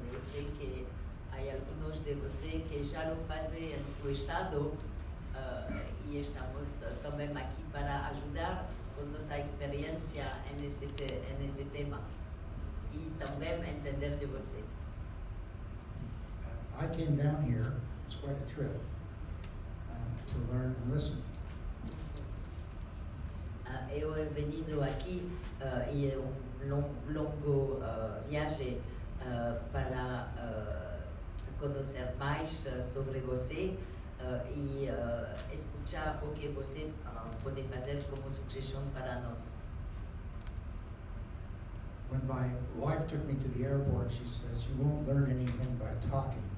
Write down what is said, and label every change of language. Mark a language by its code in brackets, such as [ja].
[pt] Eu sei que há alguns de vocês que já o fazem em seu estado e estamos também aqui para ajudar com nossa experiência nesse tema e também entender de você. [en] I came down here, it's quite a trip, to learn and listen. [pt] Eu é venido aqui e é longo viagem para conhecer mais sobre você e escutar o que você pode fazer como sugestão para nós. [en] When my wife took me to the airport, she says, "You won't learn anything by talking.